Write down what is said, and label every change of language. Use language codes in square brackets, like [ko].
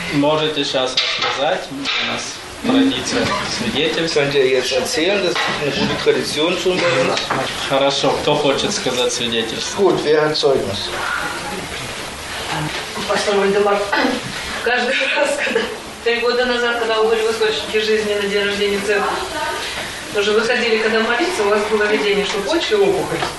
[ru] Можете сейчас рассказать, у нас традиция свидетельств. [de] Könnt ihr jetzt erzählen, das ist eine gute Tradition schon bei uns. [ru] Хорошо, кто хочет сказать свидетельство? [de] Gut, wer hat Zeugnis? [ru] Пастор Вальдемар, каждый раз, когда 3 года назад, когда вы были в источнике жизни на день рождения церкви, тоже выходили, когда молиться, у вас было видение, что почки опухоль.